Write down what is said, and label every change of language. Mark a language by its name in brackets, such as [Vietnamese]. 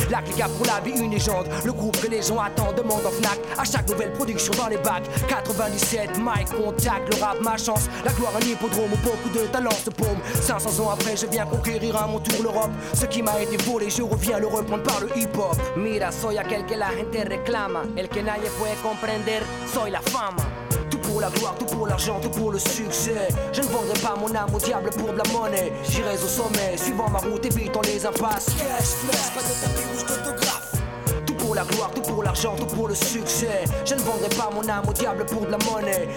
[French] La clique a pour la vie une légende. Le groupe que les gens attendent demande en Fnac. À chaque nouvelle production dans les bacs. 97, Mike contact, le rap ma chance. La gloire un hippodrome où beaucoup de talents se paument. 500 ans après je viens conquérir à mon tour l'Europe. Ce qui m'a été volé je reviens le reprendre par le hip hop. [Spanish] Mira soy aquel que la gente reclama. El que nadie puede comprender soy la fama. [French] Tout pour la gloire, tout pour l'argent, tout pour le succès. Je ne vendrai pas mon âme au diable pour de la monnaie. J'irai au sommet suivant ma route évitant les impasses. Cash flash, pas de tapis rouge d'autographe. Tout pour la gloire, tout pour l'argent, tout pour le succès. Je ne vendrai pas mon âme au diable pour de la monnaie.